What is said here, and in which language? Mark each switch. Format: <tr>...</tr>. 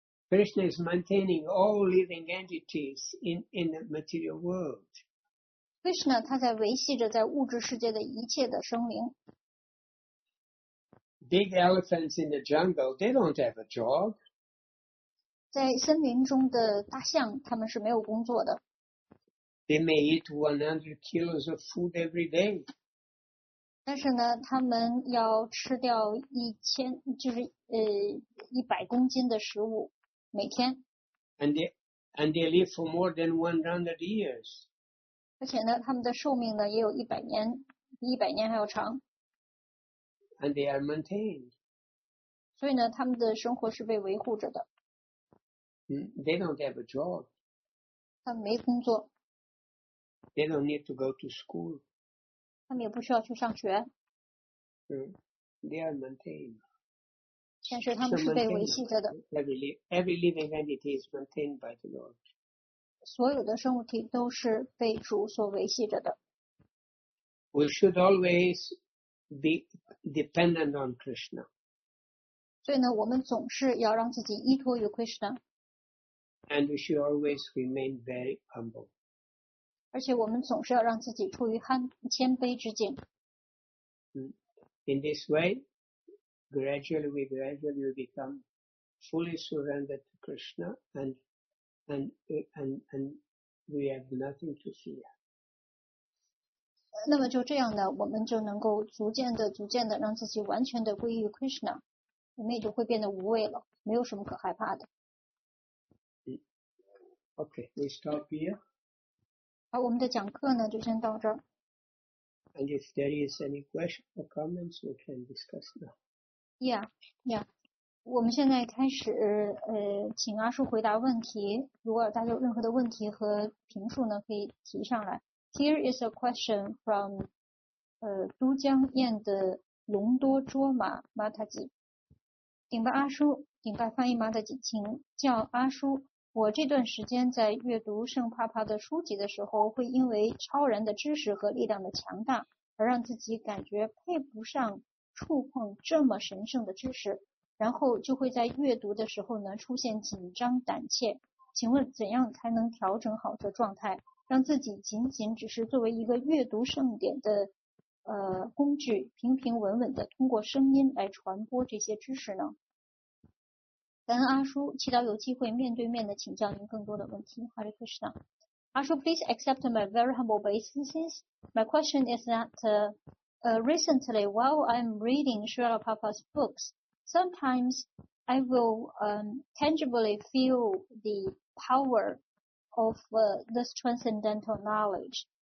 <en>Krishna is maintaining all living entities in the material world.</en> <zh>Krishna 他在维系着在物质世界的一切的生灵。</zh> <en>Big elephants in the jungle, they don't have a job.</en> <zh>在森林中的大象，他们是没有工作的。</zh> <en>They may eat 100 kilos of food every day.</en> <zh>但是呢，他们要吃掉100公斤的食物每天。</zh> <en>And they live for more than 100 years.</en> <zh>而且呢，他们的寿命呢也有100年，比100年还要长。</zh> <en>And they are maintained.</en> <zh>所以呢，他们的生活是被维护着的。</zh> <en>They don't have a job.</en> <zh>他们没工作。</zh> <en>They don't need to go to school.</en> <zh>他们也不需要去上学。</zh> <en>They are maintained.</en> <zh>但是他们是被维系着的。</zh> <en>Every living entity is maintained by the Lord.</en> <zh>所有的生物体都是被主所维系着的。</zh> <en>We should always be dependent on Krishna.</en> <zh>所以呢，我们总是要让自己依托于 Krishna.</zh> <en>And we should always remain very humble.</en> <zh>而且我们总是要让自己处于谦卑之境。</zh> <en>In this way, gradually we become fully surrendered to Krishna, and we have nothing to fear.</en> <zh>那么就这样呢，我们就能够逐渐的让自己完全的归于 Krishna， 我们也就会变得无畏了，没有什么可害怕的。</zh> <en>Okay, we stop here.</en> <zh>好，我们的讲课呢，就先到这儿。</zh> <en>And if there is any question or comments, we can discuss now. Yeah.</en> <zh>我们现在开始，请阿叔回答问题。如果大家有任何的问题和评述呢，可以提上来。</zh> <en>Here is a question from, 都江堰的隆多卓玛玛塔吉。</en> <zh>顶拜阿叔，顶拜翻译玛塔吉，请叫阿叔。我这段时间在阅读圣帕帕的书籍的时候，会因为超然的知识和力量的强大而让自己感觉配不上触碰这么神圣的知识，然后就会在阅读的时候呢出现紧张胆怯。请问怎样才能调整好这状态，让自己仅仅只是作为一个阅读圣典的工具，平平稳稳的通过声音来传播这些知识呢？感恩阿叔，祈祷有机会面对面的请教您更多的问题。</zh> <en>Hare Krishna. 阿叔 please accept my very humble obeisances. My question is that, recently while I'm reading Srila Prabhupada's books, sometimes I will, tangibly feel the power of, this transcendental knowledge.</en>